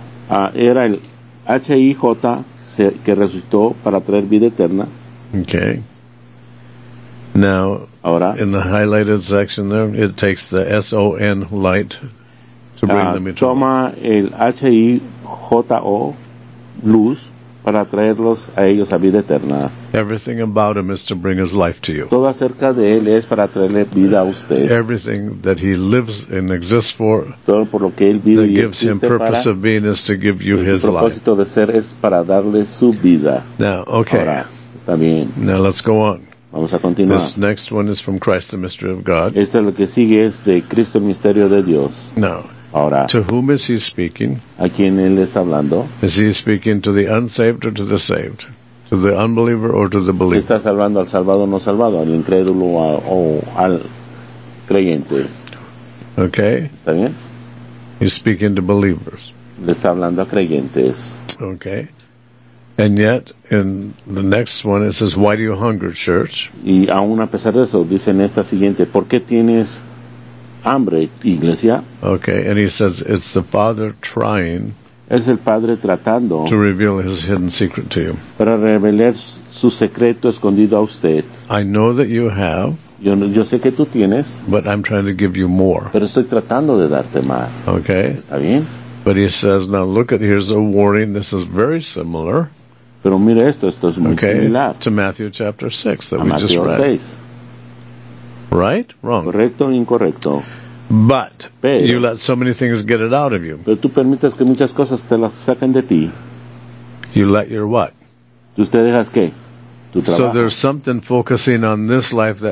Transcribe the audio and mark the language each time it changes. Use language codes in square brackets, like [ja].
[es] Era el H-I-J que resucitó para traer vida eterna. [en] Okay. Now, [es] ahora, [en] in the highlighted section there, it takes the S-O-N light to bring them eternal. [es] Toma el H-I-J-O, luz, para traerlos a ellos a vida eterna. [en] Everything about him is to bring his life to you. [es] Todo acerca de él es para traerle vida a usted. [en] Everything that he lives and exists for, [es] todo por lo que él vive [en] that gives him purpose [es] para, [en] of being is to give you his life. [es] El propósito de ser es para darle su vida. [en] Now, okay. [es] Ahora, está bien. [en] Now, let's go on. [es] Vamos a continuar. [en] This next one is from Christ, the mystery of God. [es] Esto es lo que sigue es de Cristo, el misterio de Dios. [en] Now, [es] ahora, [en] to whom is he speaking? [es] ¿A quién él está hablando? [en] Is he speaking to the unsaved or to the saved? To the unbeliever or to the believer? [es] ¿Está salvando al salvado o no salvado? ¿Al incrédulo o al creyente? [en] Okay. [es] ¿Está bien? [en] He's speaking to believers. [es] Le está hablando a creyentes. [en] Okay. And yet, in the next one, it says, why do you hunger, church? [es] Y aún a pesar de eso, dice en esta siguiente, ¿por qué tienes hambre, iglesia? [en] Okay, and he says, it's the Father trying [es] es el Padre tratando [en] to reveal his hidden secret to you. [es] Para revelar su secreto escondido a usted. [en] I know that you have, [es] yo sé que tú tienes, [en] but I'm trying to give you more. [es] Pero estoy tratando de darte más. [en] Okay. [es] ¿Está bien? [en] But he says, now look at, here's a warning, this is very similar. [es] Pero mira esto es muy [en] okay, [es] similar. [en] To Matthew chapter 6 that [es] a [en] we Matthew just read. [es] 6. [en] Right? Wrong. [es] Correcto o incorrecto. [en] But [es] pero, [en] you let so many things get it out of you. [es] Pero tú permites que muchas cosas te las saquen de ti. [en] You let your what? [es] ¿Usted dejas qué? [en] So there's something focusing on this life that